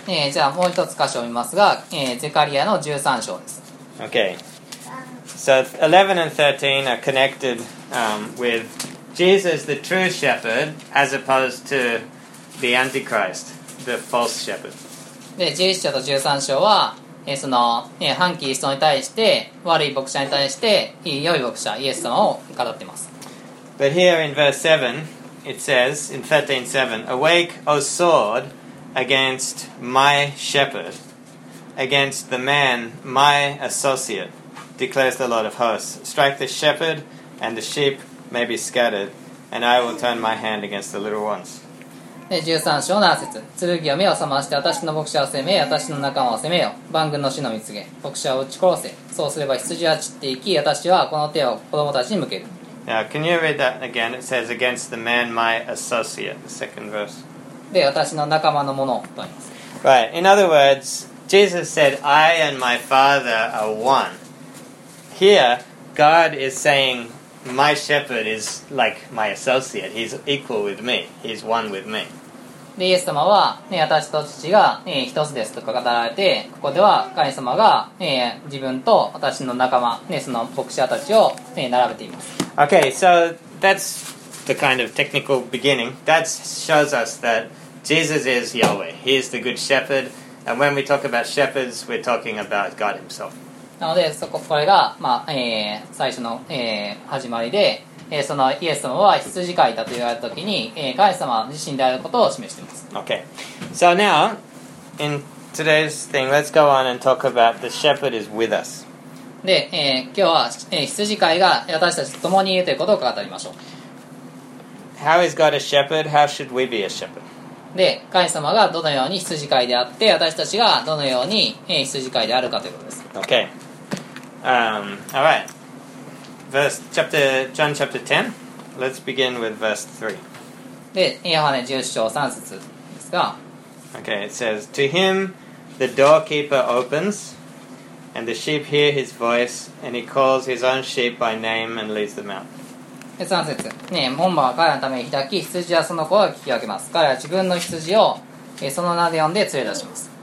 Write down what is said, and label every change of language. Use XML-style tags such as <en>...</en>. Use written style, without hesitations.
<ja>じゃあもう一つ箇所を見ますが、ゼカリアの13章です。</ja> <en>Okay, so 11 and 13 are connected with Jesus, the true shepherd, as opposed to the Antichrist, the false shepherd.</en> <ja>で、11章と13章はその反キリストに対して悪い牧者に対して良い牧者イエス様を語っています。</ja> <en>But here in verse 7 it says in 13:7 Awake, O sword, against my shepherd, against the man, my associate, declares the Lord of hosts. Strike the shepherd, and the sheep may be scattered, and I will turn my hand against the little ones.</en> <ja>で13章の7節、剣を目を覚まして私の牧者を責め、私の仲間を責めよ、万軍の主の見告げ、牧者を撃ち殺せ、そうすれば羊は散っていき、私はこの手を子供たちに向ける。</ja> <en>Now, can you read that again? It says against the man, my associate, the second verse.</en> <ja>で、私の仲間のものとあります。</ja> <en>Right, in other words, Jesus said, I and my father are one. Here, God is sayingMy shepherd is like my associate. He's equal with me. He's one with me.</en> <ja>で、イエス様は、ね、私と父が、ね、一つですと語られて、ここでは神様が、ね、自分と私の仲間、ね、その牧者たちを、ね、並べています。</ja> <en>Okay, so that's the kind of technical beginning. That shows us that Jesus is Yahweh. He is the good shepherd. And when we talk about shepherds, we're talking about God himself.</en> <ja>なので、これが、まあ最初の始まりで、そのイエス様は羊飼いだと言われたときに、神様自身であることを示しています。</ja> <en>Okay. So now, in today's thing, let's go on and talk about the shepherd is with us.</en> <ja>で、今日は、羊飼いが私たちと共にいるということを語りましょう。</ja> <en>How is God a shepherd? How should we be a shepherd?</en> <ja>で、神様がどのように羊飼いであって、私たちがどのように、羊飼いであるかということです。</ja> <en>Okay. All right. John chapter 10. Let's begin with verse</en> <ja>3. で、ヨハネ10章3節ですが。</ja> <en>Okay, it says, To him the doorkeeper opens, and the sheep hear his voice, and he calls his own sheep by name and leads them out.</en> <ja>で、3節。ね、門番は彼らのために開き、羊はその声を聞き分けます。彼らは自分の羊を、その名で呼んで連れ出します。</ja>